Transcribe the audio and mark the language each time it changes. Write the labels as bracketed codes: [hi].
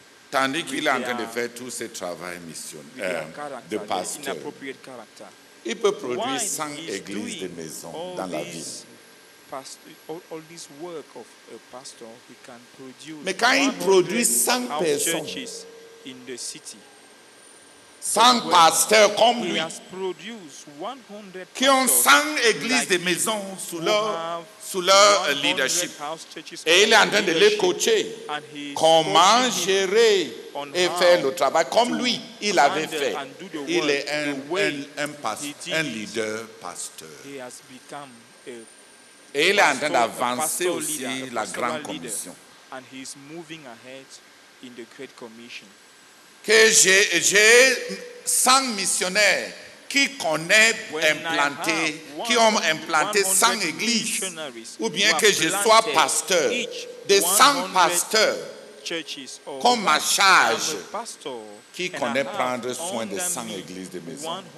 [fr] Tandis qu'il est en train de faire tout ce travail de pasteur, il peut produire 100 églises de maison dans la ville. [en] All this work of a pastor, he can produce. [fr] Mais quand il produit 100 personnes, [en] in the city, [fr] 100 pasteurs comme lui, [en] has produced 100 [fr] qui ont 100 églises like de maison sous leur leadership, et il est en train de les coacher comment gérer et faire le travail comme lui, il avait fait. Il est un leader pasteur. [en] He has become a [fr] et il est en train d'avancer aussi la grande commission. [en] And he is moving ahead in the great commission. [fr] Que j'ai 100 missionnaires qui connaissent implanter, qui ont implanté 100 églises, ou bien que je sois pasteur de 100 pasteurs comme ma charge qui connaît prendre soin de 100 églises de maison.